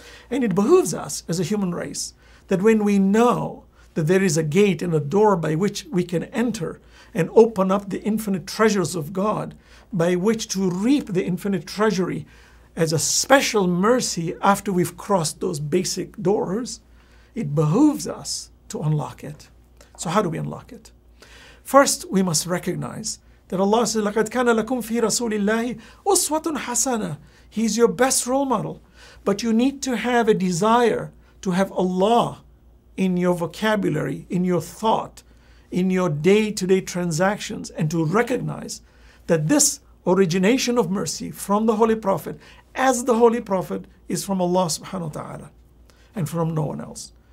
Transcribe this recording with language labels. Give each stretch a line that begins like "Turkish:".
English: And it behooves us as a human race that when we know that there is a gate and a door by which we can enter and open up the infinite treasures of God, by which to reap the infinite treasury as a special mercy after we've crossed those basic doors, it behooves us to unlock it. So how do we unlock it? First, we must recognize that Allah says,
Arabic: لَقَدْ كَانَ لَكُمْ فِي رَسُولِ اللَّهِ أُسْوَةٌ حَسَنَةٌ.
English: He's your best role model. But you need to have a desire to have Allah in your vocabulary, in your thought, in your day-to-day transactions, and to recognize that this origination of mercy from the Holy Prophet, as the Holy Prophet, is from Allah subhanahu wa ta'ala and from no one else.